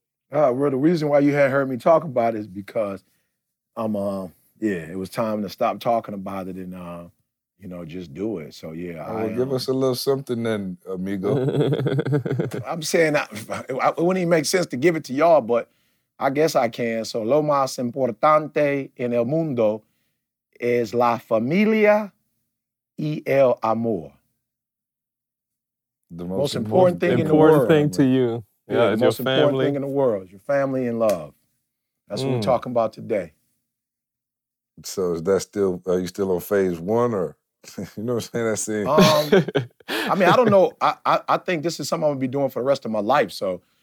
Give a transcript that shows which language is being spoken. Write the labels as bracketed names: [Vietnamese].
[English] Well, the reason why you hadn't heard me talk about it is because it was time to stop talking about it and just do it. So yeah. Give us a little something then, amigo. I'm saying it wouldn't even make sense to give it to y'all, but I guess I can. [Spanish] So, lo más importante en el mundo es la familia y el amor. [English] The most important thing in the world. Important thing to you. Yeah, the most important thing in the world is your family and love. That's what we're talking about today. So, is that still, are you still on phase one or? You know what I'm saying? I mean, I don't know. I think this is something I'm going to be doing for the rest of my life. So,